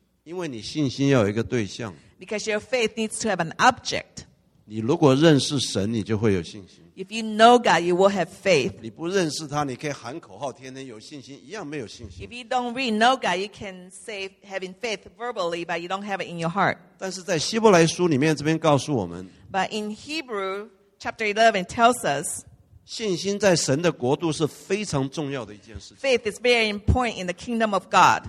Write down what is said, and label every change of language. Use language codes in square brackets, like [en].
[zh] 因为你信心要有一个对象。 [en] Because your faith needs to have an object. [zh] 你如果认识神, 你就会有信心。 [en] If you know God, you will have faith. [zh] 你不认识他, 你可以喊口号, 天天有信心, 一样没有信心。 [en] If you don't really know God, you can say having faith verbally, but you don't have it in your heart. [zh] 但是在希伯来书里面, 这边告诉我们, [en] but in Hebrew, chapter 11 tells us, [zh] 信心在神的国度是非常重要的一件事情。 [en] Faith is very important in the kingdom of God.